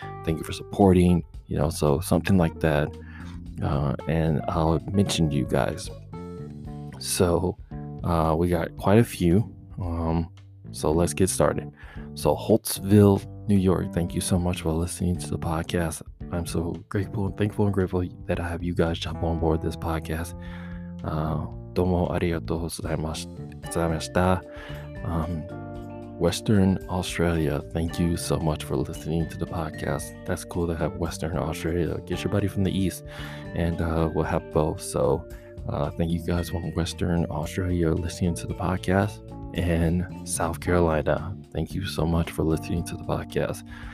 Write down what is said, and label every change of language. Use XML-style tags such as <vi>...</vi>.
<en>Thank you for supporting, you know, so something like that. And I'll mention you guys. So we got quite a few. So let's get started. So Holtzville, New York, thank you so much for listening to the podcast. I'm so grateful and thankful and grateful that I have you guys jump on board this podcast.</en> <ja>どうもありがとうございました。</ja> <en>Western Australia, thank you so much for listening to the podcast. That's cool to have Western Australia. Get your buddy from the East and we'll have both. So thank you guys from Western Australia listening to the podcast. And South Carolina, thank you so much for listening to the podcast.</en>